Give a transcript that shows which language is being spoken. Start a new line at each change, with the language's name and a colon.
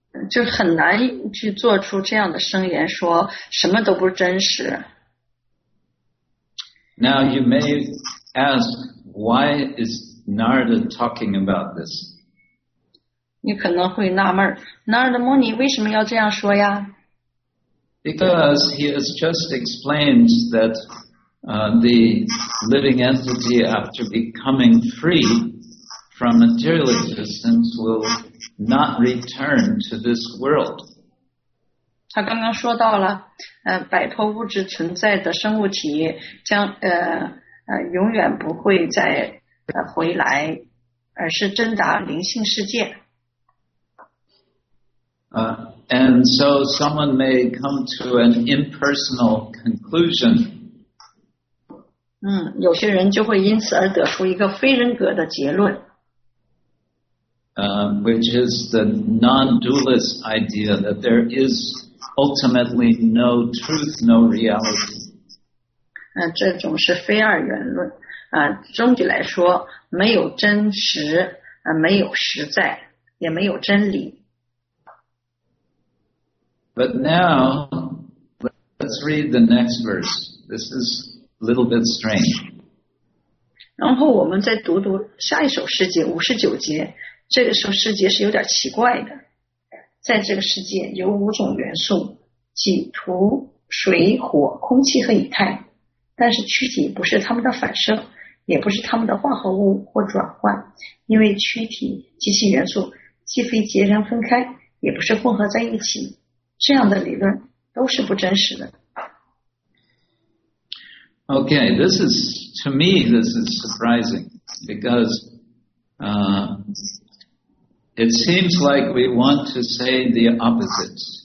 Chinese: 就很难去做出这样的声言，说什么都不真实。
English: Now you may ask, why is Narada talking about this?
Chinese: 你可能会纳闷 ，Narada Muni 为什么要这样说呀
English: ？Because he has just explained that the living entity, after becoming free from material existence, will not return to this world.
Chinese: 他刚刚说到了，摆脱物质存在的生物体将永远不会再回来，而是挣扎灵性世界。
English: And so someone may come to an impersonal conclusion.
Chinese: 有些人就会因此而得出一个非人格的结论。
English: Which is the non-dualist idea that there is ultimately no truth, no reality.
Chinese: 这种是非二元论。总体来说，没有真实，没有实在，也没有真理。
English: But now, let's read the next verse. This is a little bit strange.
Chinese: 然后我们再读读下一首诗节，五十九节。这个时候世界是有点奇怪的。在这个世界有五种元素，即土、水、火、空气和以太。但是躯体不是他们的反射，也不是他们的化合物或转换，因为躯体及其元素既非截然分开，也不是混合在一起。这样的理论都是不真实的。
English: Okay, this is, to me, this is surprising, because, it seems like we want to say the opposite.